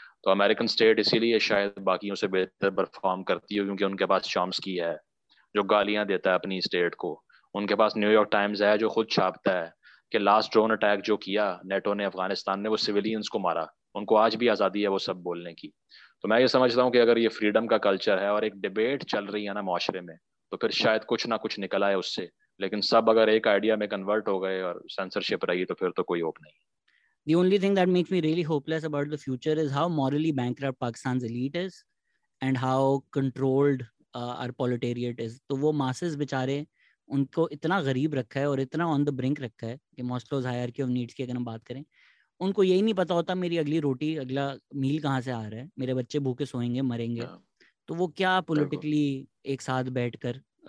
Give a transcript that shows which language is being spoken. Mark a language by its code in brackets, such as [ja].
[hi] तो American state इसीलिए शायद बाकियों से बेहतर परफॉर्म करती हो क्योंकि उनके पास चॉम्स्की है जो गालियाँ देता है अपनी स्टेट को, उनके पास न्यूयॉर्क टाइम्स है जो खुद छापता है कि लास्ट ड्रोन अटैक जो किया नेटो ने अफगानिस्तान ने वो सिविलियंस को मारा, उनको आज भी आजादी है वो सब बोलने की. तो मैं ये समझता हूँ कि अगर ये फ्रीडम का कल्चर है और एक डिबेट चल रही है ना माशरे में तो फिर शायद कुछ ना कुछ निकल आए उससे, लेकिन सब अगर एक आइडिया में कन्वर्ट हो गए और सेंसरशिप रही तो फिर तो कोई होप नहीं. [en] The only thing that makes me really hopeless about the future is how morally bankrupt Pakistan's elite is and how controlled our proletariat is. [hi] तो वो masses बेचारे उनको इतना गरीब रखा है और इतना ऑन द ब्रिंक रखा है कि मॉस्लोज हायरार्की ऑफ नीड्स की अगर हम बात करें, उनको यही नहीं पता होता मेरी अगली रोटी अगला मील कहाँ से आ रहा है, मेरे बच्चे भूखे सोएंगे मरेंगे. तो वो क्या पॉलिटिकली एक साथ बैठकर